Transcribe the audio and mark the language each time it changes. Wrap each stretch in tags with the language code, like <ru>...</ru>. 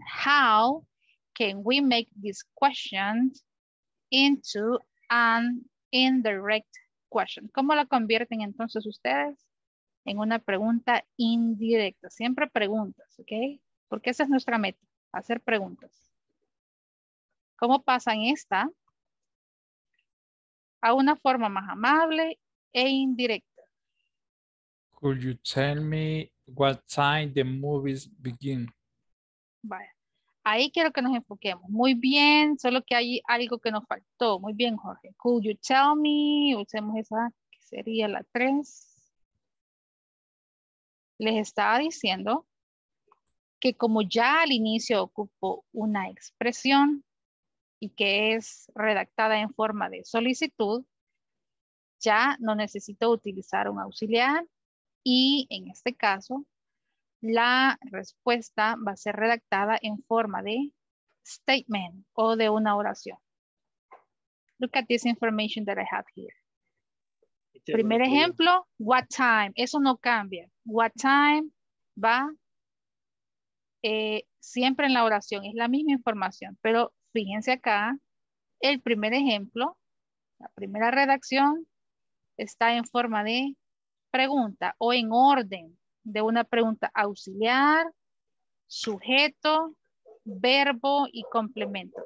<en>How can we make this question into an indirect question?</en> <es>¿Cómo la convierten entonces ustedes en una pregunta indirecta? Siempre preguntas, ¿ok? Porque esa es nuestra meta, hacer preguntas. ¿Cómo pasan esta a una forma más amable e indirecta?</es> <en>Could you tell me what time the movies begin?</en> <es>Vaya, ahí quiero que nos enfoquemos. Muy bien, solo que hay algo que nos faltó. Muy bien, Jorge.</es> <en>Could you tell me,</en> <es>usemos esa que sería la 3. Les estaba diciendo que como ya al inicio ocupo una expresión y que es redactada en forma de solicitud, ya no necesito utilizar un auxiliar y en este caso la respuesta va a ser redactada en forma de statement o de una oración.</es> <en>Look at this information that I have here.</en> <es>Primer ejemplo, what time, eso no cambia. What time va siempre en la oración, es la misma información, pero fíjense acá, el primer ejemplo, la primera redacción está en forma de pregunta o en orden de una pregunta auxiliar, sujeto, verbo y complemento.</es>